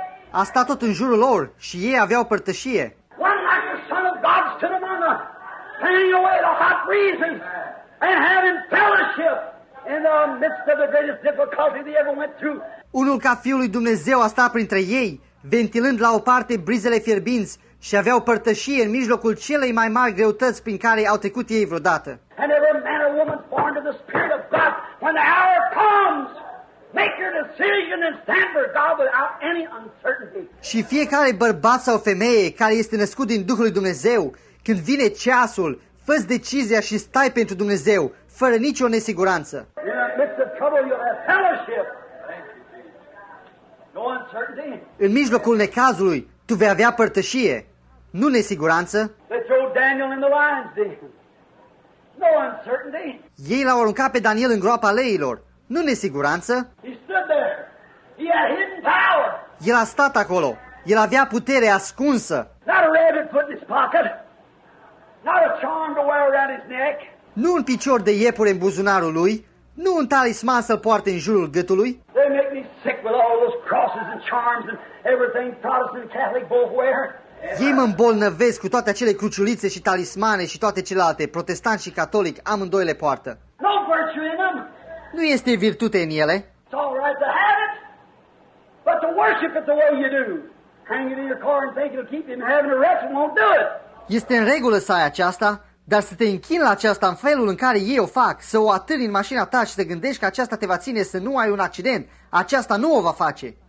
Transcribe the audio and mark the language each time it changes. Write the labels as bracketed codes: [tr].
[ro] A stat tot în jurul lor și ei aveau părtășie. [en] One like the Son of God stood among us, fanning away the hot breezes, and having fellowship in the midst of the greatest difficulty they ever went through. [ro] Unul ca Fiul lui Dumnezeu a stat printre ei, ventilând la o parte brizele fierbinți și aveau părtășie în mijlocul celei mai mari greutăți prin care au trecut ei vreodată. [en] And every man or woman born to the Spirit of God, when the hour comes, make your decision and stand for God without any uncertainty. [ro] Și fiecare bărbat sau femeie care este născut din Duhul lui Dumnezeu, când vine ceasul, fă-ți decizia și stai pentru Dumnezeu, fără nicio nesiguranță. [en] In the midst of trouble, you'll have fellowship. No uncertainty. [ro] În mijlocul necazului, tu vei avea părtășie, nu nesiguranță. [en] Let's throw Daniel in the lion's den. No uncertainty. [ro] Ei l-au aruncat pe Daniel în groapa leilor, nu nesiguranță. [en] He stood there. He had hidden power. [ro] El a stat acolo. El avea putere ascunsă. [en] Not a rabbit put in his pocket. Not a charm to wear around his neck. [ro] Nu un picior de iepure în buzunarul lui, nu un talisman să-l poarte în jurul gâtului. [en] They make me sick with all those crosses and charms and everything Protestant and Catholic both wear. [ro] Ei mă îmbolnăvesc cu toate acele cruciulițe și talismane și toate celelalte, protestant și catolic, amândoi le poartă. [en] No virtue in them. [ro] Nu este virtute în ele. [en] It's all right to have it, but to worship it the way you do. Hang it in your car and think it'll keep you from having a wreck and won't do it. [ro] Este în regulă să ai aceasta, dar să te închini la aceasta în felul în care ei o fac, să o atârni în mașina ta și să gândești că aceasta te va ține să nu ai un accident, aceasta nu o va face.